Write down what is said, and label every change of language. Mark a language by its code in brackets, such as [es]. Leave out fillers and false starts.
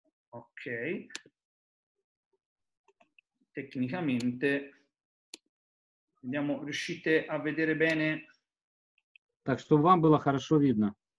[it] Ok. Tecnicamente, vediamo, riuscite a vedere bene? [ru] Так, чтобы вам было хорошо видно.